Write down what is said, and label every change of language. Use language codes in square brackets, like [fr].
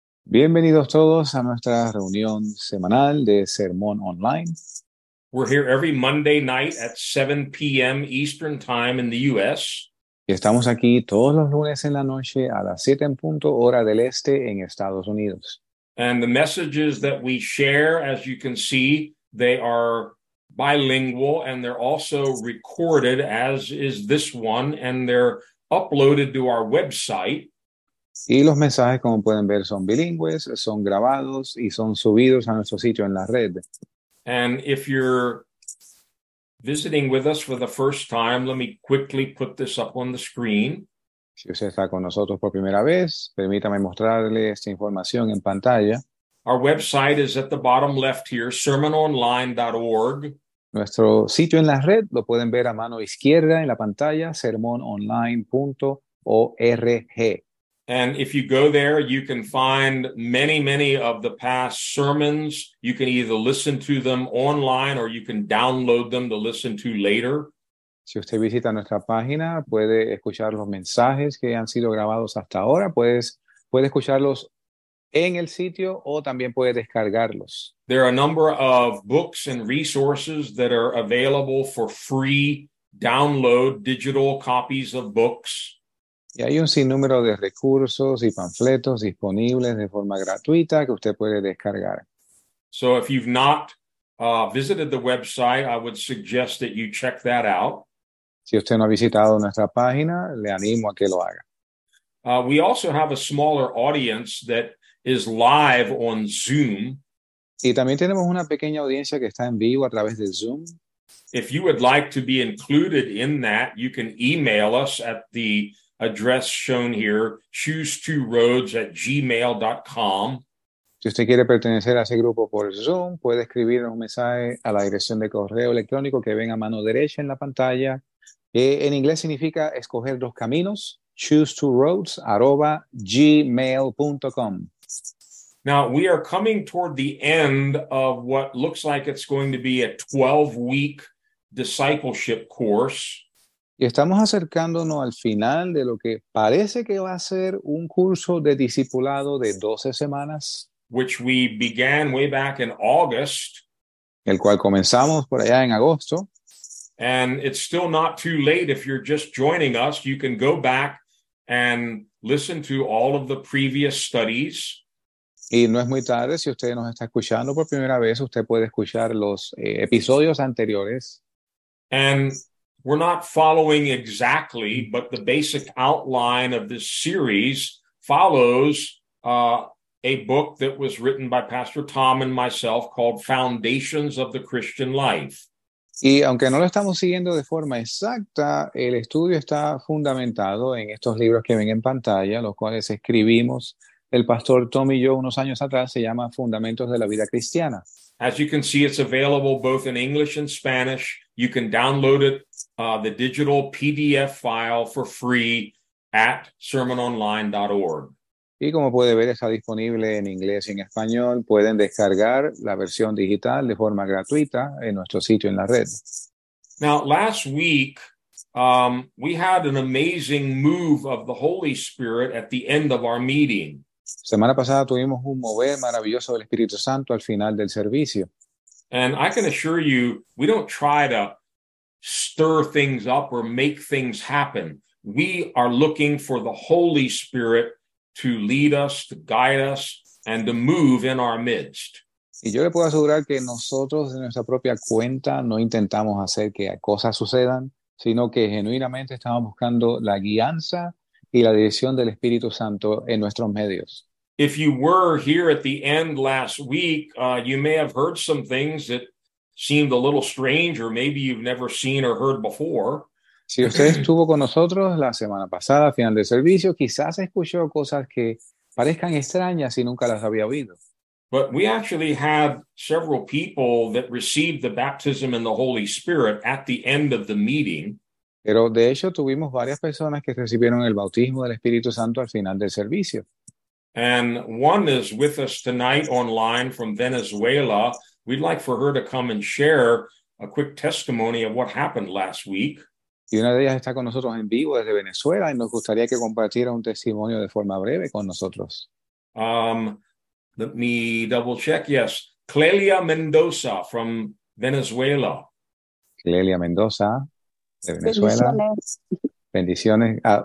[es] Bienvenidos todos a nuestra reunión semanal de Sermón Online. [en] We're here every Monday night at 7 p.m. Eastern Time in the U.S. [es] Y estamos aquí todos los lunes en la noche a las 7 en punto hora del este en Estados Unidos. [en] And the messages that we share, as you can see, they are bilingual, and they're also recorded, as is this one, and they're uploaded to our website. [es] Y los mensajes, como pueden ver, son bilingües, son grabados y son subidos a nuestro sitio en la red. [en] And if you're visiting with us for the first time, let me quickly put this up on the screen. [es] Si usted está con nosotros por primera vez, permítame mostrarle esta información en pantalla. [en] Our website is at the bottom left here, sermononline.org. [es] Nuestro sitio en la red lo pueden ver a mano izquierda en la pantalla, sermononline.org. [en] And if you go there, you can find many, many of the past sermons. You can either listen to them online or you can download them to listen to later. [es] Si usted visita nuestra página, puede escuchar los mensajes que han sido grabados hasta ahora. Puede escucharlos en el sitio o también puede descargarlos. [en] There are a number of books and resources that are available for free download, digital copies of books. [es] Y hay un sinnúmero de recursos y panfletos disponibles de forma gratuita que usted puede descargar. [en] So if you've not visited the website, I would suggest that you check that out. [es] Si usted no ha visitado nuestra página, le animo a que lo haga. [en] We also have a smaller audience that is live on Zoom. [es] Y también tenemos una pequeña audiencia que está en vivo a través de Zoom. [en] If you would like to be included in that, you can email us at the address shown here, choose2roads@gmail.com. [es] Si usted quiere pertenecer a ese grupo por Zoom, puede escribir un mensaje a la dirección de correo electrónico que ven a mano derecha en la pantalla. En inglés significa escoger dos caminos, choose2roads@gmail.com. [en] Now, we are coming toward the end of what looks like it's going to be a 12-week discipleship course. [es] Y estamos acercándonos al final de lo que parece que va a ser un curso de discipulado de 12 semanas. [en] Which we began way back in August. [es] El cual comenzamos por allá en agosto. [en] And it's still not too late if you're just joining us. You can go back and listen to all of the previous studies. [es] Y no es muy tarde, si usted nos está escuchando por primera vez, usted puede escuchar los episodios anteriores. [en] And we're not following exactly, but the basic outline of this series follows a book that was written by Pastor Tom and myself called Foundations of the Christian Life. [es] Y aunque no lo estamos siguiendo de forma exacta, el estudio está fundamentado en estos libros que ven en pantalla, los cuales escribimos el pastor Tom y yo unos años atrás, se llama Fundamentos de la Vida Cristiana. [en] As you can see, it's available both in English and Spanish. You can download it, the digital PDF file for free at sermononline.org. [es] Y como puede ver, está disponible en inglés y en español. Pueden descargar la versión digital de forma gratuita en nuestro sitio en la red. [en] Now, last week, we had an amazing move of the Holy Spirit at the end of our meeting. [es] Semana pasada tuvimos un mover maravilloso del Espíritu Santo al final del servicio. [en] And I can assure you, we don't try to stir things up or make things happen. We are looking for the Holy Spirit to lead us, to guide us, and to move in our midst. [es] Y yo le puedo asegurar que nosotros de nuestra propia cuenta no intentamos hacer que cosas sucedan, sino que genuinamente estamos buscando la guianza y la dirección del Espíritu Santo en nuestros medios. [en] If you were here at the end last week, you may have heard some things that seemed a little strange or maybe you've never seen or heard before. [es] Si usted estuvo con nosotros la semana pasada, final del servicio, quizás escuchó cosas que parezcan extrañas y nunca las había oído. [en] But we actually had several people that received the baptism in the Holy Spirit at the end of the meeting. [es] Pero de hecho tuvimos varias personas que recibieron el bautismo del Espíritu Santo al final del servicio. [en] And one is with us tonight online from Venezuela. We'd like for her to come and share a quick testimony of what happened last week. [es] Y una de ellas está con nosotros en vivo desde Venezuela y nos gustaría que compartiera un testimonio de forma breve con nosotros. [en] Let me double check. Yes, Clelia Mendoza from Venezuela. [es] Clelia Mendoza de Venezuela. Bendiciones.